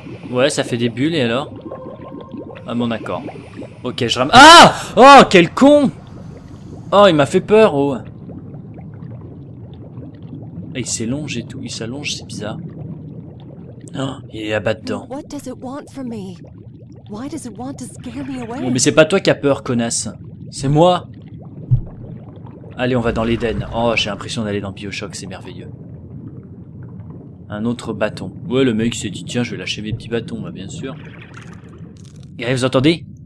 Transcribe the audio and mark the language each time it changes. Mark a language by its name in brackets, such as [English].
[French] Ouais, ça fait des bulles, et alors? Ah bon, d'accord. Ok, je ramasse... Ah! Oh, quel con! Oh, il m'a fait peur, oh! Et il s'allonge et tout, il s'allonge, c'est bizarre. Oh, il est là-bas dedans. [English] What does it want from me? Why does it want to scare me away? [French] Oh, mais c'est pas toi qui as peur, connasse. C'est moi! Allez, on va dans l'Eden. Oh, j'ai l'impression d'aller dans Bioshock, c'est merveilleux. Un autre bâton. Ouais, le mec s'est dit, tiens, je vais lâcher mes petits bâtons, bah, bien sûr. Gary, vous entendez?